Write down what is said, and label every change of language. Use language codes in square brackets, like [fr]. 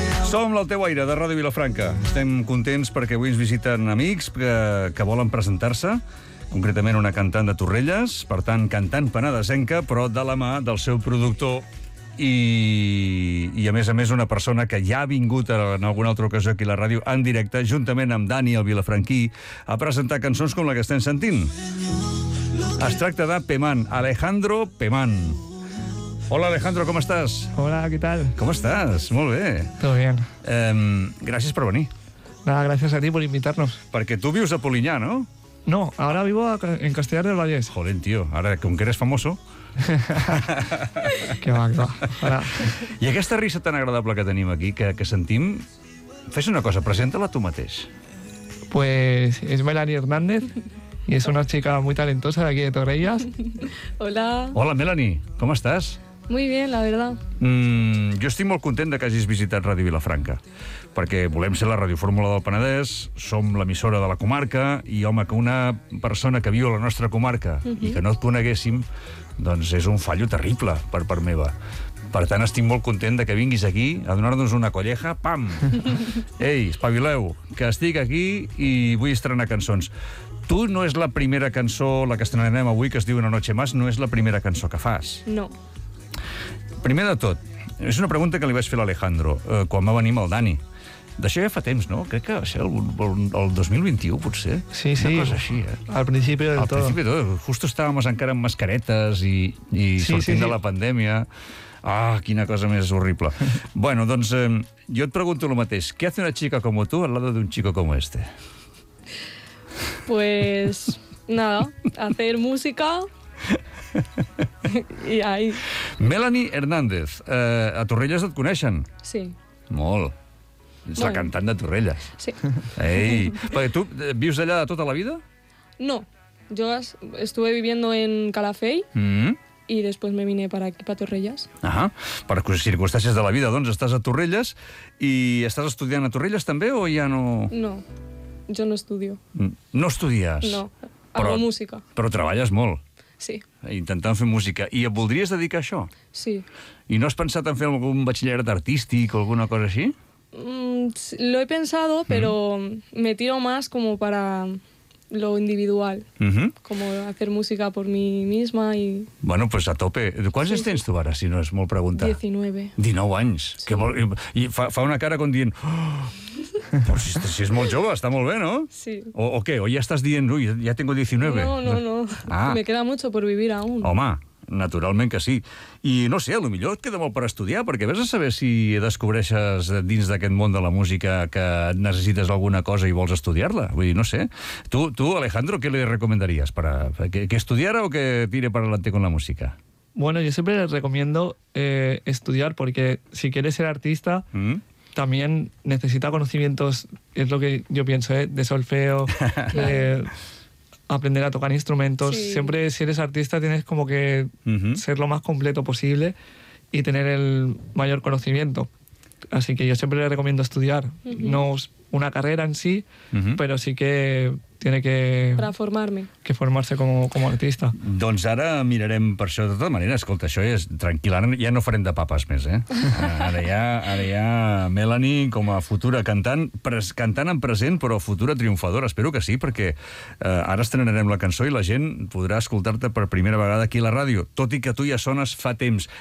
[ca] Som l'Alteu Aire, de Ràdio Vilafranca. Estem contents perquè avui ens visiten amics que volen presentar-se, concretament una cantant de Torrelles, per tant, cantant penedesenca, però de la mà del seu productor i a més, una persona que ja ha vingut en alguna altra ocasió aquí a la ràdio en directe, juntament amb Dani, el vilafranquí, a presentar cançons com la que estem sentint. Es tracta de Pemán, Alejandro Pemán. [es] Hola, Alejandro, ¿cómo estás? Hola, ¿qué tal? ¿Cómo estás? Muy bien. Todo bien. Gracias por venir. Nada, gracias a ti por invitarnos. Porque tú vives a Polinyà, ¿no? No, ahora vivo en Castellar del Vallès. Joder, tío, ahora con que eres famoso. Qué va, qué va. Y esta risa tan agradable que tenemos aquí, que sentimos... [ca] Fes una cosa, preséntala tú mateix. [es] Pues es Melanie Hernández. Y es una chica muy talentosa de aquí de Torrelles. Hola. Hola, Melanie. ¿Cómo estás? Muy bien, la verdad. [ca] Jo estic molt content que hagis visitat Ràdio Vilafranca, perquè volem ser la radiofórmula del Penedès, som l'emissora de la comarca, i, home, que una persona que viu a la nostra comarca i que no et coneguéssim, doncs és un fallo terrible per part meva. Per tant, estic molt content que vinguis aquí a donar-nos una colleja, pam! Ei, espavileu, que estic aquí i vull estrenar cançons. Tu no és la primera cançó, la que estrenarem avui, que es diu Una noche más, no és la primera cançó que fas. No. Primer de tot, és una pregunta que li vaig fer a l'Alejandro quan va venir amb el Dani. D'això ja fa temps, no? Crec que va ser el 2021, potser. Sí, sí. Una cosa així, Al principi del tot. Al principi del tot. Justo estàvem encara amb mascaretes i sí, sortint de la pandèmia. Ah, quina cosa més horrible. Bueno, doncs jo et pregunto el mateix. [es] ¿Qué hace una chica como tú al lado de un chico como este? Pues nada, hacer música... [ca] I ahí. Melanie Hernández, a Torrelles et coneixen? Sí. Molt. Ets la cantant de Torrelles. Sí. Ei, perquè tu vius allà de tota la vida? [es] No, jo estuve viviendo en Calafell [ca] i després [es] me vine para aquí, para Torrelles. [ca] Ah, per circumstàncies de la vida, doncs, estàs a Torrelles i estàs estudiant a Torrelles també o ja no... [es] No, jo no estudio. [ca] No estudies? [es] No, però, hago música. [ca] Però treballes molt. Sí. Intentant fer música. I et voldries dedicar a això? Sí. I no has pensat en fer algun batxillerat artístic o alguna cosa així? [es] Lo he pensado, pero me tiro más como para lo individual. Como hacer música por mí misma y... Bueno, pues a tope. [ca] Quants anys tens tu ara, si no és molt pregunta? 19 anys. Sí. Que vol... I fa una cara com dient... Però si és molt jove, està molt bé, no? Sí. O què? O ja estàs dient, ui, [es] ja tengo 19. [ca] No. Ah. [es] Me queda mucho por vivir aún. [ca] Home, naturalment que sí. I no sé, potser et queda molt per estudiar, perquè vés a saber si descobreixes dins d'aquest món de la música que necessites alguna cosa i vols estudiar-la. Vull dir, no sé. Tu, Alejandro, què li recomendaries? [es] Que estudiara o que tire per adelante con la música? Bueno, yo siempre les recomiendo estudiar, porque si quieres ser artista... También necesita conocimientos, es lo que yo pienso, de solfeo, de aprender a tocar instrumentos. Sí. Siempre, si eres artista, tienes como que ser lo más completo posible y tener el mayor conocimiento. Así que yo siempre le recomiendo estudiar. No una carrera en sí, pero sí que tiene que... Para formarme. Que formarse como artista. [ca] Doncs ara mirarem per això. De tota manera, escolta, això és tranquil. Ara ja no farem de papes més, eh? Ara ja Melanie, com a futura cantant, cantant en present, però futura triomfadora. Espero que sí, perquè ara estrenarem la cançó i la gent podrà escoltar-te per primera vegada aquí a la ràdio, tot i que tu ja sones fa temps.